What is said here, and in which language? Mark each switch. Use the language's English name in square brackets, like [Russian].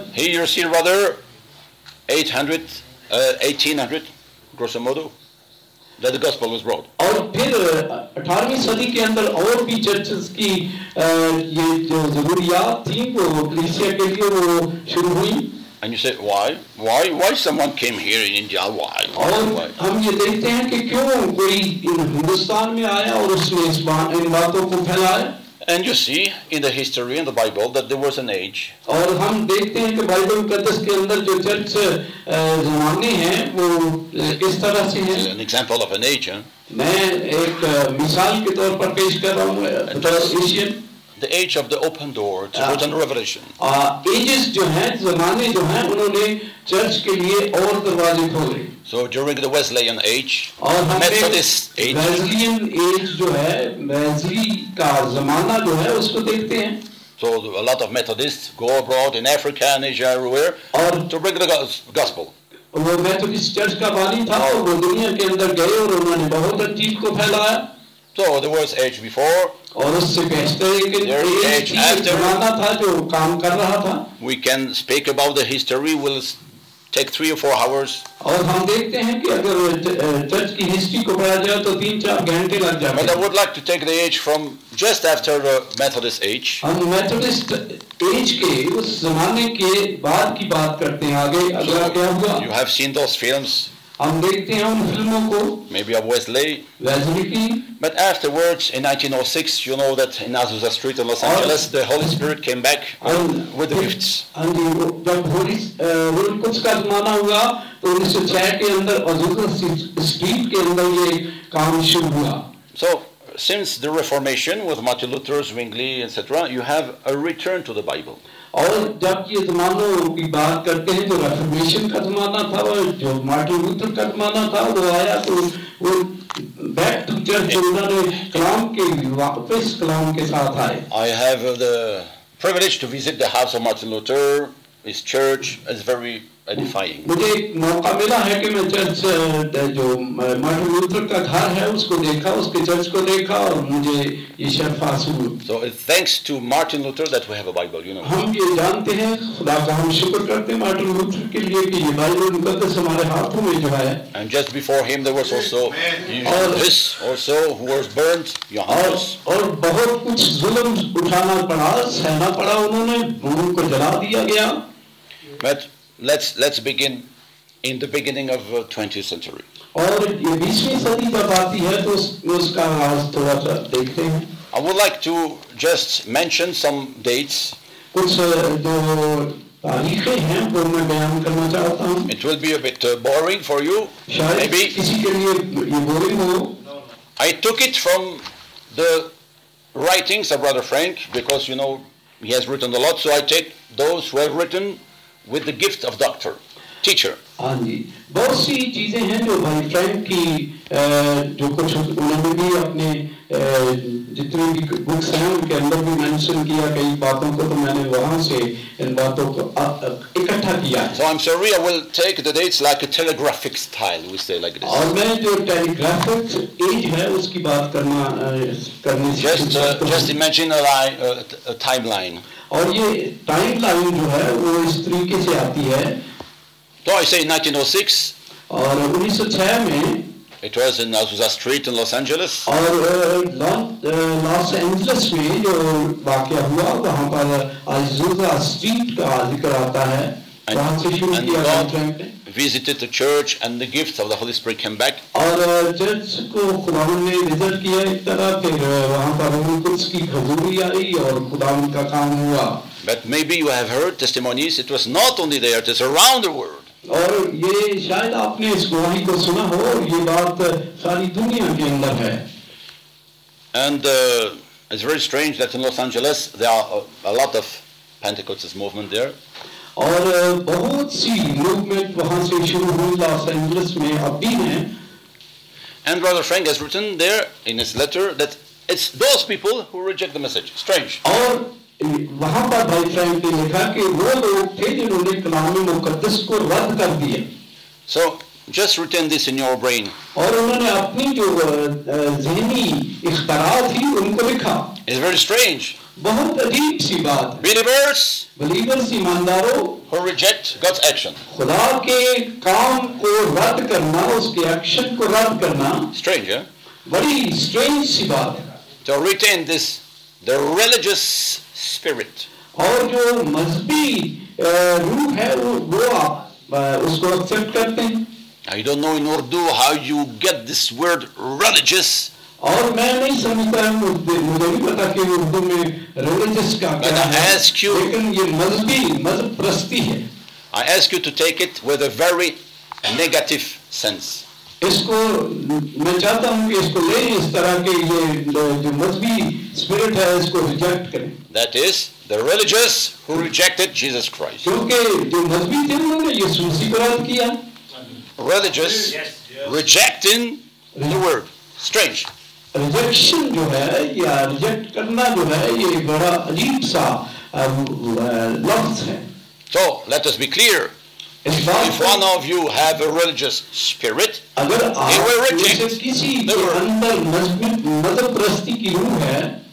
[English] Here you see rather 1800 grosso modo that the gospel was brought. [Hindi] और फिर 18वीं सदी के अंदर और भी चर्चेस की ये जो जरूरियात थी वो क्रिश्चियन के लिए वो शुरू हुई. [English] And you say why someone came here in India? Why? [Hindi] और हम ये देखते हैं कि क्यों कोई इन हिंदुस्तान में आया और उसने इस बात इन बातों को फैलाया. [English] And you see in the history in the Bible that there was an age. [Hindi] और हम देखते हैं कि बाइबल मुकद्दस के अंदर जो चर्च जमाने हैं वो इस तरह से हैं. [English] An example of an age. [Hindi] मैं एक मिसाल के तौर पर पेश कर रहा हूँ translation. [English] The age of the open door to written revelation. [Hindi] Ages जो हैं जमाने जो हैं उन्होंने चर्च के लिए और दरवाजे खोले. [English] So during the Wesleyan age, [Hindi] Methodist age, Wesleyan age जो है वेजली का जमाना जो है उसको देखते हैं. [English] So a lot of Methodists go abroad in Africa and Asia everywhere to bring the gospel. [Hindi] वो Methodist church का वाली था और वो दुनिया के अंदर गए और उन्होंने बहुत अच्छी को फैलाया. [English] So there was age before. [Hindi] और उससे पहले के [English] age after [Hindi] जमाना था जो काम कर रहा था. [English] We can speak about the history. We'll take 3 or 4 hours. [Hindi] और हम देखते हैं कि अगर चर्च की हिस्ट्री को पढ़ा जाए तो 3-4 घंटे लग जाएंगे. [English] But I would like to take the age from just after the Methodist age. [Hindi] हम Methodist age के उस जमाने के बाद की बात करते हैं आगे. अगर क्या हुआ? [English] You have seen those films. [Hindi] हम देखते हैं उन फिल्मों को. [English] Maybe of Wesley. [Hindi] वेस्ली की. [English] But afterwards, in 1906, you know that in Azusa Street in Los Angeles, the Holy Spirit came back with the gifts. [Hindi] And when Holy कुछ का जमाना हुआ, तो 1906 के अंदर Azusa Street के अंदर ये काम शुरू हुआ. [English] So since the Reformation with Martin Luther, Zwingli, etc., you have a return to the Bible. [Hindi] और जब ये जमानों की बात करते हैं जो रिफॉर्मेशन का जमाना था और जो मार्टिन लूथर का जमाना था वो आया तो वो [English] back to church [Hindi] उन्होंने कलाम के वापस कलाम के साथ आए. [English] I have the privilege to visit the house of Martin Luther. His church is very edifying. [Hindi] मुझे एक मौका मिला है कि मैं चर्च जो मार्टिन लूथर का घर है उसको देखा, उसके चर्च को देखा और मुझे ये शर्फ हासिल हुआ. [English] So it's thanks to Martin Luther that we have a Bible, you know. [Hindi] हम ये जानते हैं, खुदा का हम शुक्र करते हैं मार्टिन लूथर के लिए कि ये बाइबल मुकद्दस हमारे हाथों में जो है. [English] And just before him there was also this also who was burnt, Johannes. [Hindi] और बहुत कुछ जुल्म उठाना पड़ा, सहना पड़ा उन्होंने, उनको जला दिया गया. [English] But let's begin in the beginning of the 20th century. [Hindi] और ये 20वीं सदी जब आती है तो उसका आज थोड़ा सा देखते हैं. [English] I would like to just mention some dates. [Hindi] कुछ जो तारीखें हैं वो मैं बयान करना चाहता हूँ. [English] It will be a bit boring for you. [Hindi] शायद [English] maybe [Hindi] किसी के लिए ये बोरिंग हो. [English] I took it from the writings of Brother Frank because you know he has written a lot, so I take those who have written with the gift of doctor, teacher. [Hindi] हाँ जी, बहुत सी चीजें हैं जो भाई Frank की जो कुछ उन्होंने भी अपने जितने भी बुक्स हैं उनके अंदर भी मेंशन किया कई बातों को, तो मैंने वहाँ से इन बातों को इकट्ठा. इकट्ठा किया है. [English] So I'm sorry, I will take the dates like a telegraphic style, we say like this. [Hindi] और मैं जो telegraphic age है उसकी बात करने से [English] just imagine a timeline. [Hindi] और ये timeline जो है वो इस तरीके से आती है. [English] So I say 1906. [Hindi] और 1906 में [English] It was in Azusa Street in Los Angeles. [Hindi] और Los Angeles में जो वाकया हुआ वहाँ पर Azusa Street का जिक्र आता है. वहाँ से शुरू किया कॉन्ट्रैक्ट ने. [English] Visited the church and the gifts of the Holy Spirit came back. [Hindi] और चर्च को खुदावन ने विजिट किया एक तरह फिर वहाँ पर रूह कुदस की हजूरी आई और खुदावन का काम हुआ. [English] But maybe you have heard testimonies. It was not only there. It is around the world. [Hindi] और ये शायद आपने इस गवाही को सुना हो और ये बात सारी दुनिया के अंदर है. [English] And it's very strange that in Los Angeles there are a lot of Pentecostist movement there. [Hindi] और बहुत सी movement वहाँ से शुरू हुई लॉस एंजलिस में अभी है. [English] And Brother Frank has written there in his letter that it's those people who reject the message. Strange. [Hindi] और वहां पर भाई फ्रैंक ने लिखा कि वो लोग थे जिन्होंने कलामी मुकद्दस को रद्द कर दिया. [English] So, just retain this in your brain. [Hindi] और उन्होंने अपनी जो ज़हनी इख्तरा थी उनको लिखा. [English] It's very strange. [Hindi] बहुत अजीब सी बात. [English] Believers, [Hindi] ईमानदारों, [English] who reject God's action. [Hindi] खुदा के काम को रद्द करना, उसके एक्शन को रद्द करना. [English] Strange, yeah? [Hindi] बड़ी स्ट्रेंज सी बात. [English] So, retain this. The religious spirit. [Hindi] और जो मज़हबी रूह है वो आप उसको accept करते हैं. [English] I don't know in Urdu how you get this word religious. [Hindi] और मैं नहीं समझता मुझे नहीं पता कि उर्दू में religious का क्या है. [English] I ask you. [Hindi] लेकिन ये मज़हबी मज़हब प्रस्ती है. [English] I ask you to take it with a very negative sense. [Hindi] इसको मैं चाहता हूँ कि इसको ले इस तरह के ये जो मज़हबी स्पिरिट है इसको रिजेक्ट करें. [English] That is the religious who rejected Jesus Christ. [Hindi] क्योंकि जो मज़हबी थे उन्होंने यीशु मसीह को रद्द किया. [English] Religious rejecting the word. Strange. [Hindi] Rejection जो है या रिजेक्ट करना जो है ये बड़ा अजीब सा लफ्ज़ है. [English] So let us be clear. If one of you have a religious spirit, he will reject the word.